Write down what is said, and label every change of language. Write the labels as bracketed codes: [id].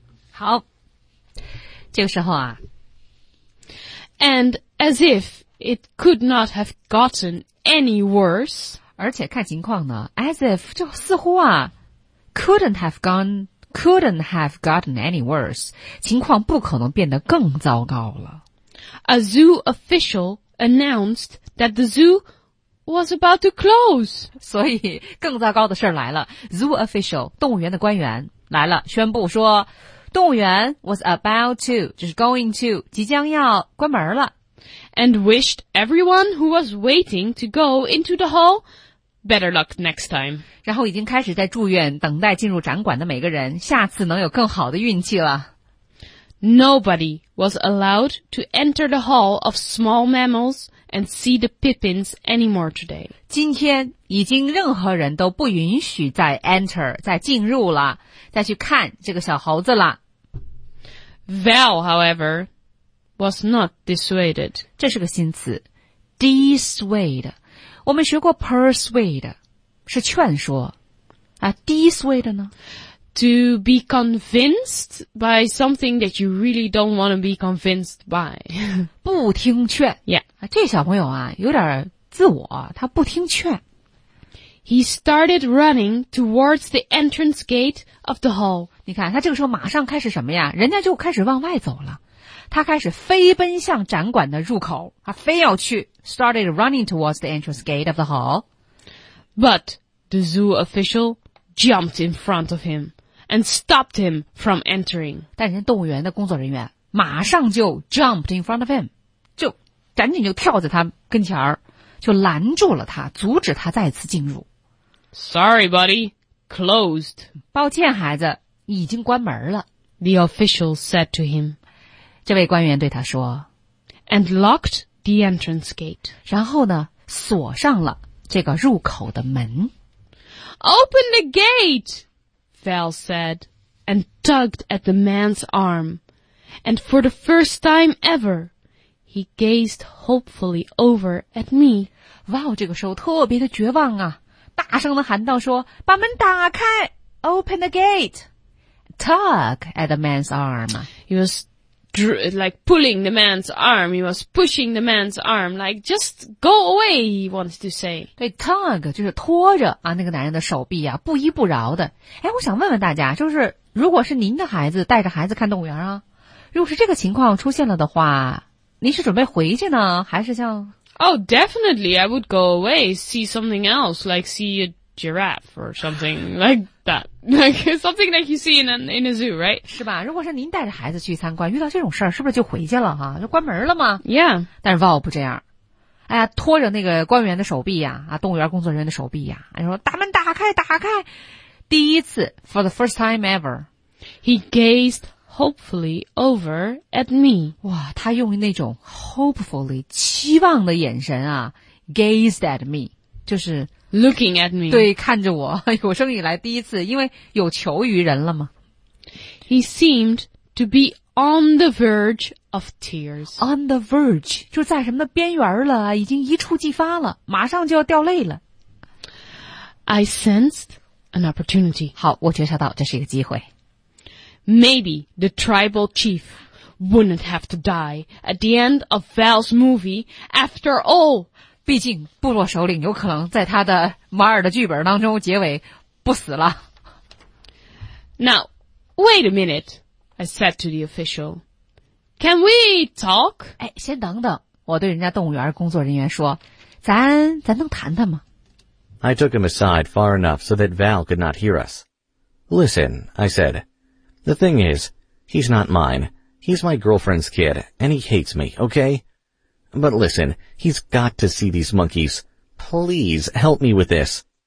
[zh] 好。这个时候啊。 [en] And as if it could not have gotten any worse. [zh] 而且看情况呢 [en] as if [zh] 就似乎啊 [en] couldn't have gotten any worse. [zh] 情况不可能变得更糟糕了。 [en] A zoo official announced that the zoo was about to close. [zh] 所以更糟糕的事来了。 [en] Zoo official, [zh] 动物园的官员来了宣布说动物园 [en] was about to, [zh] 就是 [en] going to, [zh] 即将要关门了。 [en] And wished everyone who was waiting to go into the hall better luck next time. [zh] 然后已经开始在住院等待进入展馆的每个人下次能有更好的运气了。 [en] Nobody was allowed to enter the hall of small mammals and see the pippins anymore today. [zh] 今天已经任何人都不允许再 enter, 再进入了再去看这个小猴子了。 [en] Val, however, was not dissuaded. [zh] 这是个新词 ,dissuade. 我们学过 persuade, 是劝说啊，第一思维的呢？ [en] To be convinced by something that you really don't want to be convinced by. [zh] 不听劝。 [en] Yeah. [zh] 这小朋友啊有点自我他不听劝。 [en] He started running towards the entrance gate of the hall. [zh] 你看他这个时候马上开始什么呀人家就开始往外走了。他开始飞奔向展馆的入口他非要去。 [en] Started running towards the entrance gate of the hall. But the zoo official jumped in front of him and stopped him from entering. [zh] 但人家动物园的工作人员马上就 [en] jumped in front of him, [zh] 就赶紧就跳在他跟前儿就拦住了他阻止他再次进入。 [en] Sorry, buddy, closed. [zh] 抱歉孩子已经关门了。 [en] The official said to him, [zh] 这位官员对他说 [en] and locked the entrance gate. [zh] 然后呢锁上了这个入口的门。 [en] Open the gate, Val said, and tugged at the man's arm. And for the first time ever, he gazed hopefully over at me. [zh] Val 这个时候特别的绝望啊，大声地喊道说，把门打开 , [en] open the gate, tug at the man's arm. He was like pulling the man's arm, he was pushing the man's arm, like just go away, he wants to say. [zh] 对 tug 就是拖着啊那个男人的手臂啊不依不饶的。诶我想问问大家就是如果是您的孩子带着孩子看动物园啊如果是这个情况出现了的话您是准备回去呢还是像 [en] Oh, definitely, I would go away, see something else, like see a giraffe or something like that. Like something that you see in a zoo, right? [zh] 是吧如果是您带着孩子去参观遇到这种事儿是不是就回去了哈就关门了吗 [en] Yeah. [zh] 但是 Val 不这样。哎呀拖着那个官员的手臂 啊动物园工作人员的手臂啊你说打门打开打开。第一次 [en] for the first time ever. He gazed hopefully over at me. [zh] 哇他用那种 hopefully, 期望的眼神啊 [en] gazed at me. [zh] 就是 [en] Looking at me. [zh] 对看着我有生以来第一次因为有求于人了嘛。 [en] He seemed to be on the verge of tears. On the verge, [zh] 就在什么的边缘了已经一触即发了马上就要掉泪了。 [en] I sensed an opportunity. [zh] 好我觉察到这是一个机会。 [en] Maybe the tribal chief wouldn't have to die at the end of Val's movie after all. [zh] 毕竟部落首领有可能在他的马尔的剧本当中结尾不死了。 [en] Now, wait a minute, I said to the official. Can we talk? [zh] 哎，先等等，我对人家动物园工作人员说，咱能谈谈吗？ [en] I took him aside far enough so that Val could not hear us. Listen, I said. The thing is, he's not mine. He's my girlfriend's kid, and he hates me, okay? But listen, he's got to see these monkeys. Please help me with this.